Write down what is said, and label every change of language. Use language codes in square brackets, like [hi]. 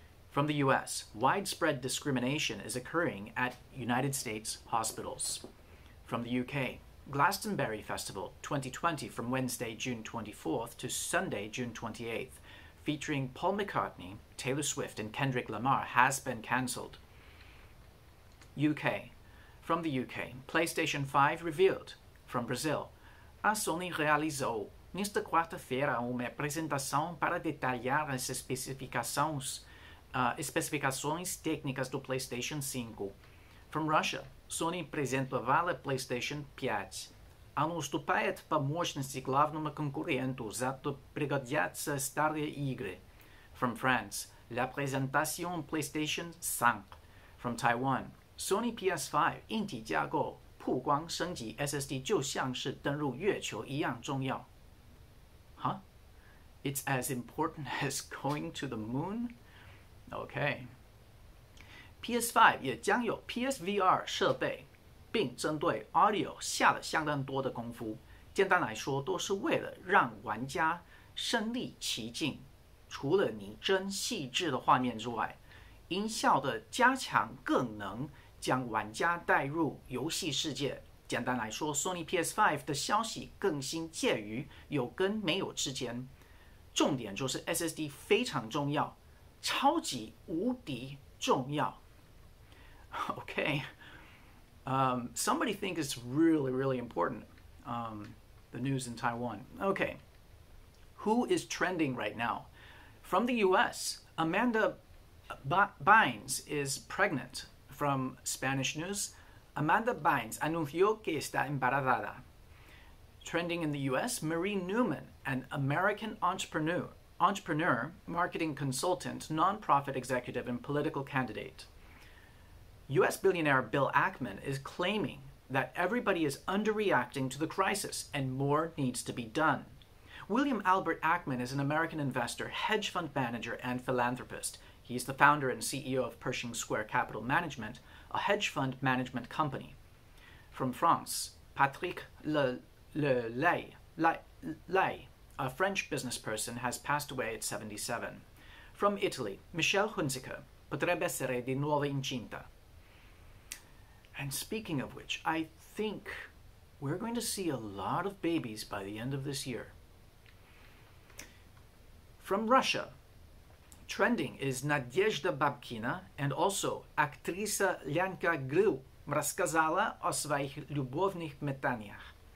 [en] From the US, widespread discrimination is occurring at United States hospitals. From the UK, Glastonbury Festival 2020 from Wednesday, June 24th to Sunday, June 28th, featuring Paul McCartney, Taylor Swift, and Kendrick Lamar has been cancelled. UK, from the UK, PlayStation 5 revealed. From Brazil, [pt] a Sony realizou nesta quarta-feira uma apresentação para detalhar as especificações técnicas do PlayStation 5. [en] From Russia, [ru] Sony презентовала PlayStation 5. Уступает по мощности главному конкуренту, зато пригодятся старые игры. [en] From France, [fr] la présentation PlayStation 5. [en] From Taiwan, [zh] Sony PS5 硬體架構曝光升級 SSD 就像是 登入 月球 一樣 重要. [en] Huh? It's as important as going to the moon? Okay. [zh] PS5 也將有 PSVR 設備, 並針對 audio 下了相當多的功夫, 簡單來說都是為了讓玩家身臨其境, 除了擬真細緻的畫面之外, 音效的加強更能 将玩家带入游戏世界。简单来说, Sony PS5的消息更新介于 有跟没有之间。重点就是 SSD非常重要, 超级无敌重要。 [en] Okay, somebody thinks it's really, really important, the news in Taiwan. Okay, who is trending right now? From the US, Amanda Bynes is pregnant. From Spanish news, [es] Amanda Bynes anunció que está embarazada. [en] Trending in the US, Marie Newman, an American entrepreneur, marketing consultant, nonprofit executive, and political candidate. US billionaire Bill Ackman is claiming that everybody is underreacting to the crisis and more needs to be done. William Albert Ackman is an American investor, hedge fund manager, and philanthropist. He's the founder and CEO of Pershing Square Capital Management, a hedge fund management company. From France, Patrick Lay, a French business person, has passed away at 77. From Italy, [it] Michelle Hunziker potrebbe essere di nuovo incinta. [en] And speaking of which, I think we're going to see a lot of babies by the end of this year. From Russia, trending is [ru] Надежда Бабкина [en] and also [ru] Актриса Лянка Грыу рассказала о своих любовных метаниях.